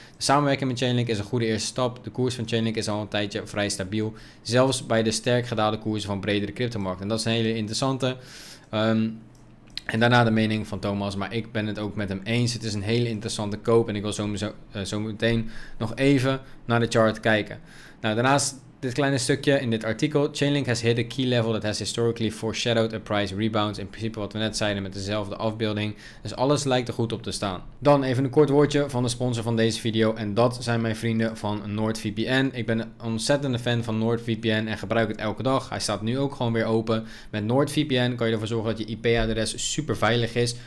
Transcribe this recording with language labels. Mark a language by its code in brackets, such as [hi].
[nl] De samenwerking met Chainlink is een goede eerste stap. De koers van Chainlink is al een tijdje vrij stabiel, zelfs bij de sterk gedaalde koersen van bredere cryptomarkten. En dat is een hele interessante. En daarna de mening van Thomas, maar ik ben het ook met hem eens. Het is een hele interessante koop en ik wil zo meteen nog even naar de chart kijken. Nou, daarnaast dit kleine stukje in dit artikel. [en] Chainlink has hit a key level that has historically foreshadowed a price rebound. [nl] In principe wat we net zeiden met dezelfde afbeelding. Dus alles lijkt er goed op te staan. Dan even een kort woordje van de sponsor van deze video. En dat zijn mijn vrienden van NordVPN. Ik ben een ontzettende fan van NordVPN en gebruik het elke dag. Hij staat nu ook gewoon weer open. Met NordVPN kan je ervoor zorgen dat je IP-adres super veilig is.